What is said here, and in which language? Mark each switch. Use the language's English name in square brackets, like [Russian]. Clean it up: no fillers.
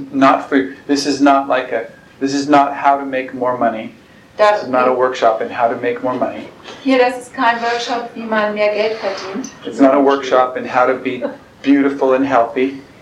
[English] Not for this is not like a this is not how to make more money. [German] Das [English] this is not a workshop in how to make more money. [German] Hier, das ist kein Workshop, wie man mehr Geld verdient. [English] It's not a workshop in how to be beautiful and healthy.